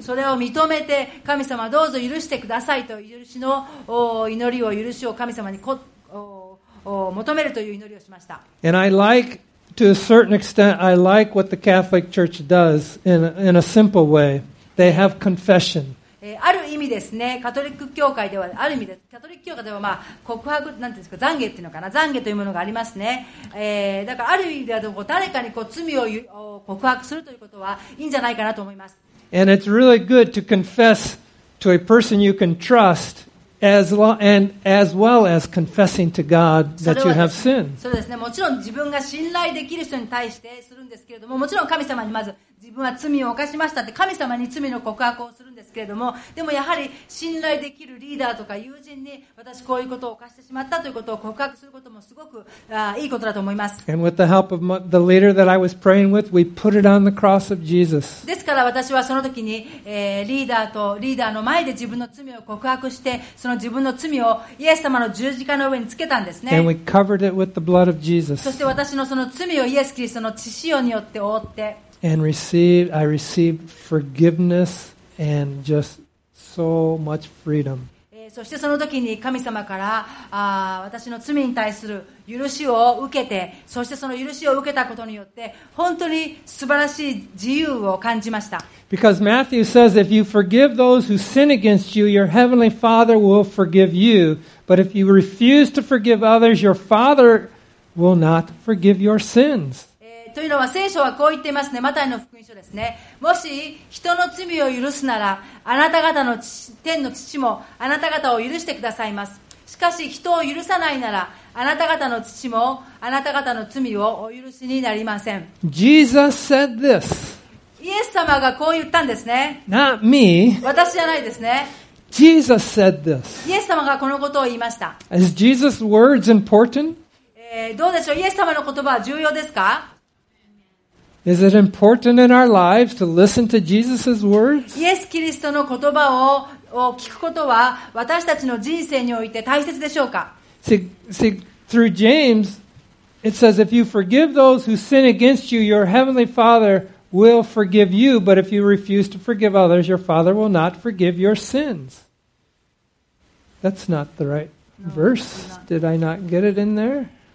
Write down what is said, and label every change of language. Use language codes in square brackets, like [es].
[ja] それを認めて、神様どうぞ許してくださいと許しの祈りを、許しを神様に求めるという祈りをしました。 [en] And I like, to a certain extent, I like what the Catholic Church does in a simple way. They have confession. [ja] ある意味ですね、カトリック教会ではある意味です。カトリック教会では告白、なんていうんですか、懺悔っていうのかな、懺悔というものがありますね。だからある意味では誰かに罪を告白するということはいいんじゃないかなと思います。 [en] And it's really good to confess to a person you can trust. As well as confessing to God that you have sinned. [ja] そうですね。もちろん自分が信頼できる人に対してするんですけれども、もちろん神様にまず自分は罪を犯しましたって神様に罪の告白をするんですけれども、でもやはり信頼できるリーダーとか友人に私こういうことを犯してしまったということを告白することもすごくいいことだと思います。 [en] And with the help of the leader that I was praying with, we put it on the cross of Jesus. [ja] ですから私はその時に、リーダーの前で自分の罪を告白して、その自分の罪をイエス様の十字架の上につけたんですね。 [en] And we covered it with the blood of Jesus. [ja] そして私のその罪をイエスキリストの血潮によって覆って、 [en] And I received forgiveness and just so much freedom. [ja] そしてその時に神様から私の罪に対する許しを受けて、そしてその許しを受けたことによって本当に素晴らしい自由を感じました。 [en] Because Matthew says, if you forgive those who sin against you, your heavenly Father will forgive you. But if you refuse to forgive others, your Father will not forgive your sins. [ja] というのは聖書はこう言っていますね。マタイの福音書ですね。もし人の罪を許すなら、あなた方の天の父もあなた方を許してくださいます。しかし人を許さないなら、あなた方の父もあなた方の罪をお許しになりません。 [en] Jesus said this. [ja] イエス様がこう言ったんですね。 [en] Not me. [ja] 私じゃないですね。 [en] Jesus said this. [ja] イエス様がこのことを言いました。 [en] Is Jesus' words important? [ja] どうでしょう、イエス様の言葉は重要ですか。 [en] Is it important in our lives to listen to Jesus' words? [ja] イエス・キリストの言葉を聞くことは私たちの人生において大切でしょうか。 [en] See, through James, it says, if you forgive those who sin against you, your heavenly Father will forgive you, but if you refuse to forgive others, your Father will not forgive your sins. That's not the right verse. Did I not get it in there?